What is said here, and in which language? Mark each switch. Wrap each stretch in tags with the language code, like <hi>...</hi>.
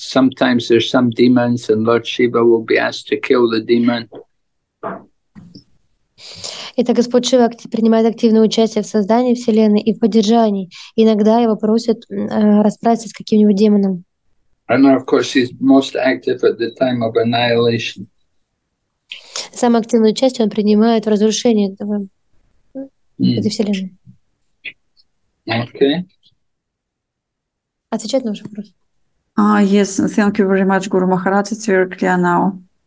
<en>Sometimes there's some demons, and Lord Shiva will be asked to kill the demon.</en> <ru>Это Господь Шива принимает активное участие в создании вселенной и в поддержании. Иногда его просят расправиться с каким-нибудь демоном.</ru> <en>And of course, he's most active at the time of annihilation.</en> <ru>Самое активное участие он принимает в разрушении этого.</ru> <en>Okay.</en> <ru>Отвечать на ваш вопрос.</ru> <en>Yes, thank you very much, Guru Maharaj. It's very clear now.</en>